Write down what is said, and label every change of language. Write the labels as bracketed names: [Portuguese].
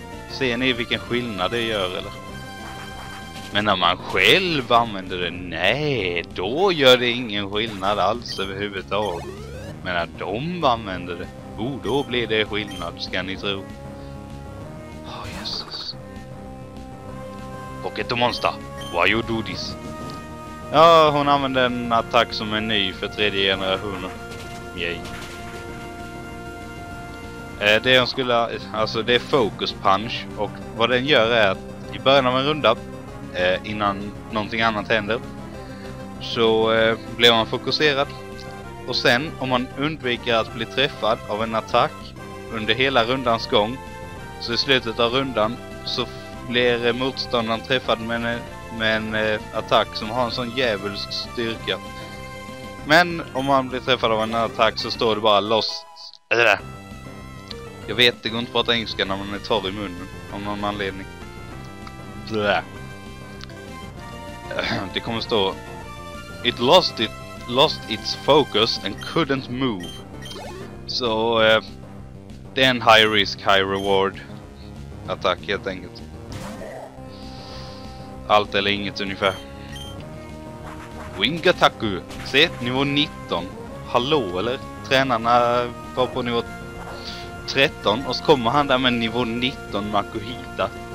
[Swedish] Ser ni vilken skillnad det gör eller? Men när man själv använder det, nej, då gör det ingen skillnad alls överhuvudtaget. Men när de använder det, oh, då blir det skillnad, ska ni tro. Jesus. [English] Pocket Monster, why you do this? [Swedish] Ja, hon använder en attack som är ny för tredje generationen. Yay. Det hon skulle, alltså det är Focus Punch. Och vad den gör är att i början av en runda, innan någonting annat händer, så blir man fokuserad. Och sen, om man undviker att bli träffad av en attack under hela rundans gång, så i slutet av rundan så blir motståndaren träffad med en attack som har en sån djävulsk styrka. Men om man blir träffad av en attack så står det bara lost. Jag vet, det går inte att prata engelska när man är torr i munnen av någon anledning. Det kommer stå [English] it lost, it lost its focus and couldn't move. [Swedish] Så det är en [English] high risk, high reward [Swedish] attack helt enkelt. Allt eller inget ungefär. Wingataku. Se, nivå 19. Hallå eller? Tränarna var på nivå 13 och så kommer han där med nivå 19 Makuhita.